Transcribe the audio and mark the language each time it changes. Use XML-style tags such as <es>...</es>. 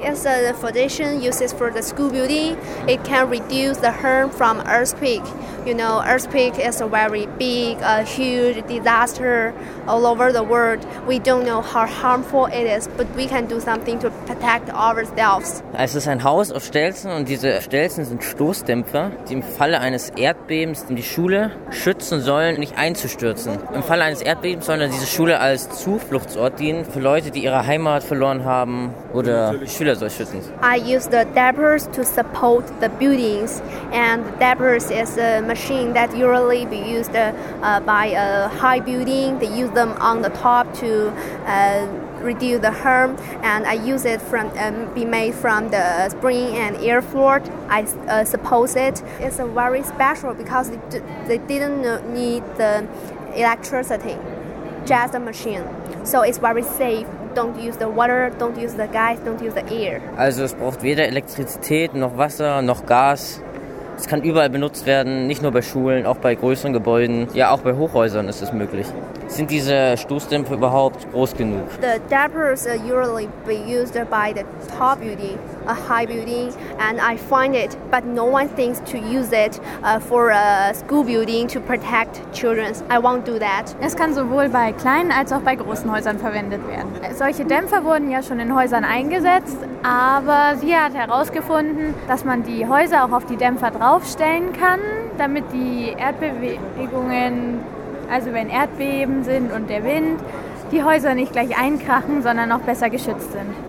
<en>It's a foundation used for the school building. It can reduce the harm from earthquake. You know, earthquake is a very big, huge disaster all over the world. We don't know how harmful it is, but we can do something to protect ourselves.</en> <de>Es ist ein Haus auf Stelzen und diese Stelzen sind Stoßdämpfer, die im Falle eines Erdbebens die Schule schützen sollen, nicht einzustürzen. Im Falle eines Erdbebens soll diese Schule als Zufluchtsort dienen für Leute, die ihre Heimat verloren haben oder die Schüler soll schützen.</de> <en>I use the dampers to support the buildings and the dampers is a machine that usually be used by a high building. They use them on the top to reduce the harm, and I use it from be made from the spring and air floor. I suppose it. It's very special because they didn't need the electricity, just a machine. So it's very safe. Don't use the water, don't use the gas, don't use the air.</en> <de>Also es braucht weder Elektrizität noch Wasser noch Gas. Es kann überall benutzt werden, nicht nur bei Schulen, auch bei größeren Gebäuden. Ja, auch bei Hochhäusern ist es möglich. Sind diese Stoßdämpfe überhaupt groß genug?</de> <en>The dampers are usually be used by the top building, a high building, and I find it, but no one thinks to use it for a school building to protect children. I won't do that.</en> <de>Es kann sowohl bei kleinen als auch bei großen Häusern verwendet werden. Solche Dämpfer wurden ja schon in Häusern eingesetzt, aber sie hat herausgefunden, dass man die Häuser auch auf die Dämpfer draufstellen kann, damit die Erdbewegungen, also wenn Erdbeben sind und der Wind, die Häuser nicht gleich einkrachen, sondern auch besser geschützt sind.</de>